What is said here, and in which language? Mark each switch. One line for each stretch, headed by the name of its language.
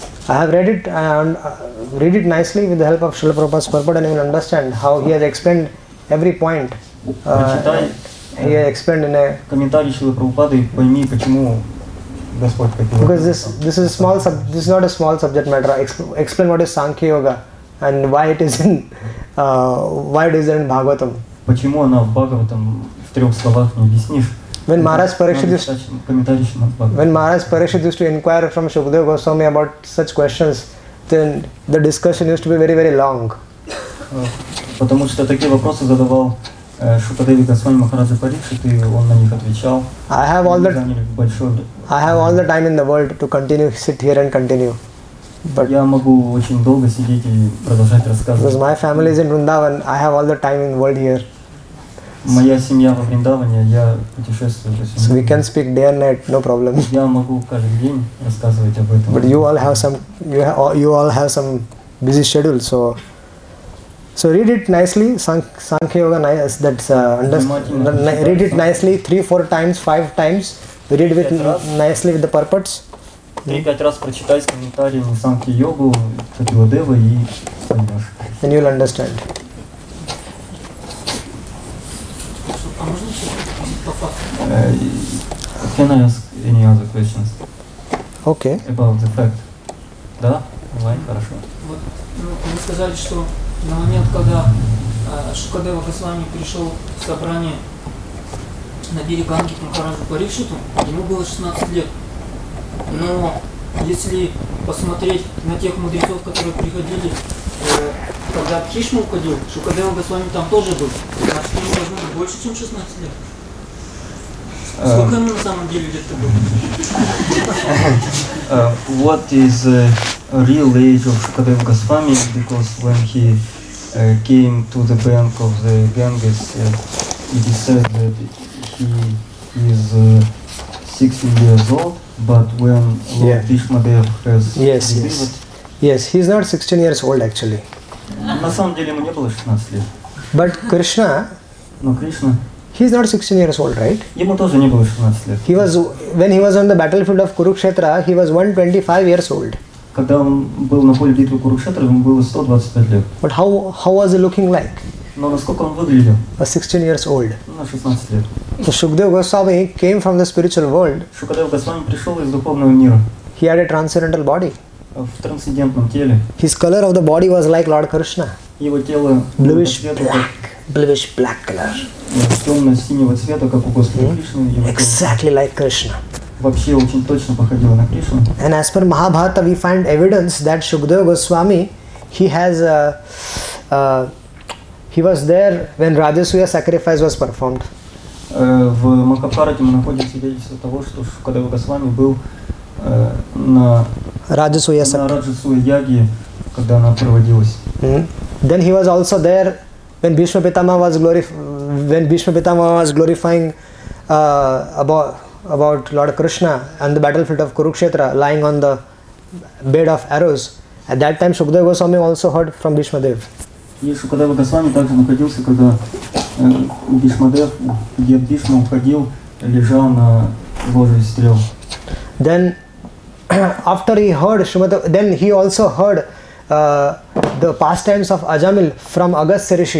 English: I have read it and read it nicely with the help of Srila Prabhupada's purport, and you will understand how he has explained every point.
Russian: Прочитай,
English: he has explained in a
Russian: комментарий Шрила Прабхупады, и пойми, почему Господь как его.
English: Because this is a small this is not a small subject matter. Explain what is Sankhya Yoga and why it is in why it is in Bhagavatam.
Russian: Почему она в Бхагаватам в трех словах не объяснишь?
English: When Maharaj Parikshit used to inquire from Shukadeva Goswami about such questions, then the discussion used to be very, very long.
Russian: Потому что такие вопросы задавал Шукадеви Госвами Махараджа Парикшит, и он на них отвечал.
English: I have all the time in the world to continue, sit here and continue.
Russian: But я могу очень долго сидеть и продолжать рассказывать.
English: Because my family is in Vrindavan, I have all the time in the world here.
Russian: Моя семья во Вриндаване, я путешествую по всему.
English: So we can speak day and night, no problem.
Russian: Я могу каждый день рассказывать об этом.
English: But you all have some busy schedule, so read it nicely, Sankhya Yoga, that's read it nicely 3-4 times, 5 times, read with nicely with the purports.
Russian: 3-5 раз прочитай с комментарием Sankhya Yoga, Kapila Deva, и поймешь.
English: And you'll understand. Can I ask any other questions? Okay. About the fact. Да? Онлайн? Хорошо.
Russian: Вот, вы сказали, что на момент, когда Шукадева Госвами пришел в собрание на берег Ганги к Махараджу Парикшиту, ему было 16 лет. Но если посмотреть на тех мудрецов, которые приходили, когда Кишма уходил, Шукадева Госвами там тоже был. Значит, ему должно быть больше, чем 16 лет.
English: What is the real age of Shukadeva Goswami? Because when he came to the bank of the Ganges, it is said that he is 16 years old, but when Lord Bhishmadev has delivered... Yes, he is not 16 years old actually.
Russian: На самом деле ему не было 16 лет.
English: But Krishna...
Russian: Но Кришна...
English: He is not 16 years old, right?
Russian: Ему тоже не было 16 лет.
English: He was when he was on the battlefield of Kurukshetra, he was 125 years old.
Russian: Когда он был на поле битвы Курукшетра, ему было 125 лет.
English: But how was he looking like?
Russian: Но насколько он выглядел?
English: A 16 years old.
Russian: На 16 лет.
English: So Shukadeva Goswami came from the spiritual world.
Russian: Шукадева Госвами пришел из духовного мира.
English: He had a transcendental body.
Russian: В трансцендентном теле.
English: His color of the body was like Lord Krishna.
Russian: Его тело
English: bluish black. Bluish black color.
Russian: Темно-синего цвета, как у Господа Кришны.
English: Exactly like Krishna.
Russian: Вообще очень точно походило на Кришну.
English: And as per Mahabharata, we find evidence that Shukadeva Goswami, he has, he was there when Rajasuya sacrifice was performed.
Russian: В Махабхарате мы находим свидетельство того, что Шукадева Госвами был на Rajasuya Яге, когда она проводилась.
English: Then he was also there when Bhishma Pitama was glorifying about Lord Krishna and the battlefield of Kurukshetra, lying on the bed of arrows. At that time, Shukadeva Goswami also heard from Bhishma Dev.
Russian: И Шукадева Госвами также находился, когда Бхишма Дев, где Бхишма уходил, лежал на ложе из стрел.
English: Then, after he heard Shukadeva, then he also heard the pastimes of Ajamil from Agastya Rishi.